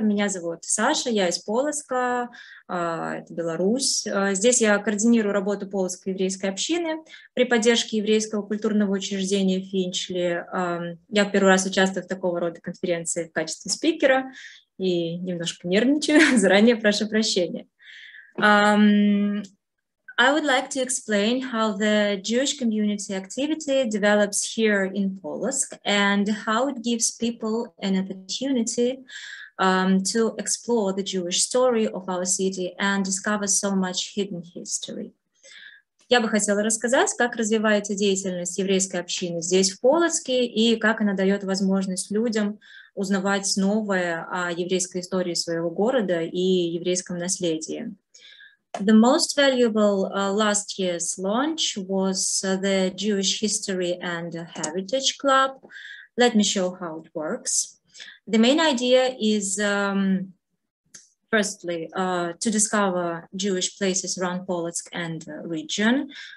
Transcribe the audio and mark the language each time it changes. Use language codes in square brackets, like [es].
[ru] Меня зовут Саша, я из Полоцка, это Беларусь. Здесь я координирую работу Полоцкой еврейской общины при поддержке еврейского культурного учреждения Финчли. Я первый раз участвую в такого рода конференции в качестве спикера и немножко нервничаю. Заранее прошу прощения. [en] I would like to explain how the Jewish community activity develops here in Polotsk and how it gives people an opportunity to explore the Jewish story of our city and discover so much hidden history. [ru] Я бы хотела рассказать, как развивается деятельность еврейской общины здесь, в Полоцке, и как она дает возможность людям узнавать новое о еврейской истории своего города и еврейском наследии. [en] The most valuable last year's launch was the Jewish History and Heritage Club. Let me show how it works. The main idea is, firstly, to discover Jewish places around Polotsk and the region.